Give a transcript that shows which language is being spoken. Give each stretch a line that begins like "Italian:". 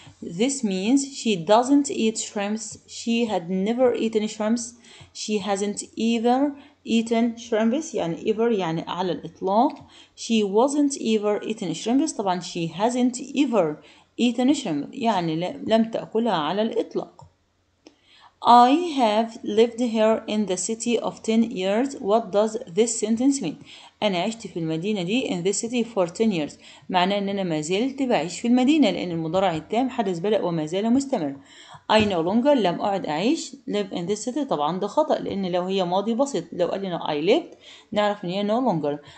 English: This means she doesn't eat shrimps. She had never eaten shrimps. She hasn't ever eaten shrimps.
Arabic: يعني ever يعني على الإطلاق.
English: She wasn't ever eaten shrimps. طبعا she hasn't ever eaten shrimps.
Arabic: يعني لم تأكلها على الإطلاق.
English: I have lived here in the city of 10 years. What does this sentence mean?
Arabic: أنا عشت في المدينة دي
English: in this city for 10 years.
Arabic: معناه إن أنا ما زلت بعيش في المدينة، لأن المضارع التام حدث بدأ وما زال مستمر.
English: I no longer
Arabic: لم أعد أعيش
English: live in this city.
Arabic: طبعا ده خطأ، لأن لو هي ماضي بسيط لو قال لنا
English: I lived
Arabic: نعرف إن هي
English: no longer.